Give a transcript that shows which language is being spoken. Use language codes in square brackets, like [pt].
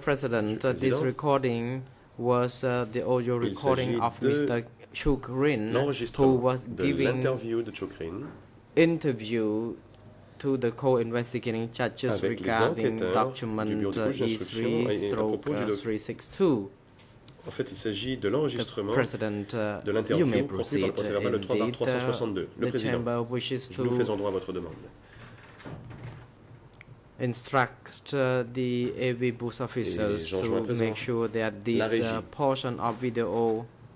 [en] President, this recording was the audio recording of Mr. Chukrin, who was giving Chukrin interview to the co-investigating judges regarding document 3-362. [fr] En fait, il s'agit de l'enregistrement de l'interview conclue par le procès-verbal le 3-362. Le Président, nous faisons droit à votre demande. [en] Instruct the AV booth officers to make sure that this portion of video